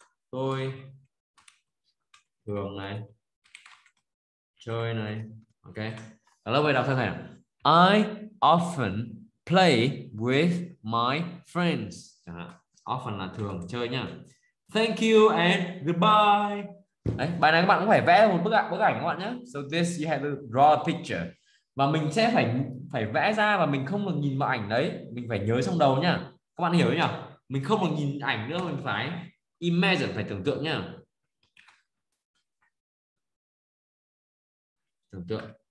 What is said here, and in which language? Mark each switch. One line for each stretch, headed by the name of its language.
Vietnamese: Tôi thường này chơi này. Ok. Đó là đọc theo thầy.
English: I often play with my friends. Đó. Often
Vietnamese: là thường chơi nhá.
English: Thank you and goodbye.
Vietnamese: Đấy, bài này các bạn cũng phải vẽ một bức ảnh các bạn nhá.
English: So this you have to draw a picture.
Vietnamese: Và mình sẽ phải vẽ ra và mình không được nhìn vào ảnh đấy. Mình phải nhớ trong đầu nhá. Các bạn hiểu nhá. Mình không được nhìn ảnh nữa. Mình phải imagine, phải tưởng tượng nhá. Tưởng tượng.